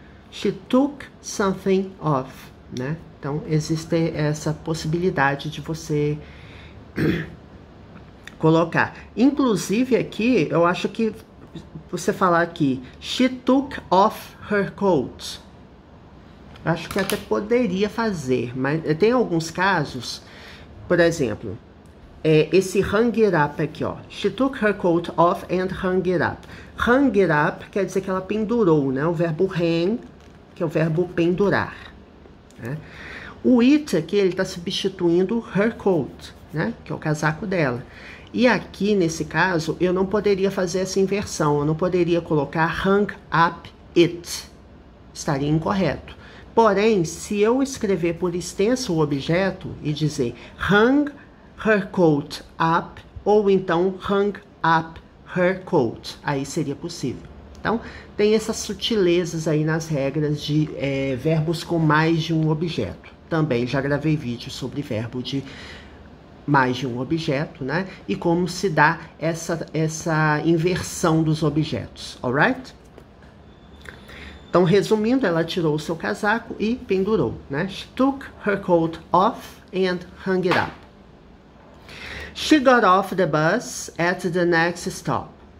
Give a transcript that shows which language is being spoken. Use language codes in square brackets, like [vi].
[en] She took something off, [pt] né? Então existe essa possibilidade de você colocar. Inclusive aqui, eu acho que você falar aqui, [en] she took off her coat. [pt] Eu acho que até poderia fazer, mas tem alguns casos. Por exemplo, esse hang it up aqui, ó. [en] She took her coat off and hung it up. [pt] Hang it up quer dizer que ela pendurou, né? O verbo hang, que é o verbo pendurar, né? O it aqui, ele tá substituindo her coat, né? Que é o casaco dela. E aqui, nesse caso, eu não poderia fazer essa inversão. Eu não poderia colocar [en] hang up it. [pt] Estaria incorreto. Porém, se eu escrever por extenso o objeto e dizer [en] hung her coat up, [pt] ou então [en] hung up her coat, [pt] aí seria possível. Então, tem essas sutilezas aí nas regras de verbos com mais de um objeto. Também já gravei vídeo sobre verbo de mais de um objeto, né? E como se dá essa inversão dos objetos, alright? Então, resumindo, ela tirou o seu casaco e pendurou, né? [en] She took her coat off and hung it up. She got off the bus at the next stop.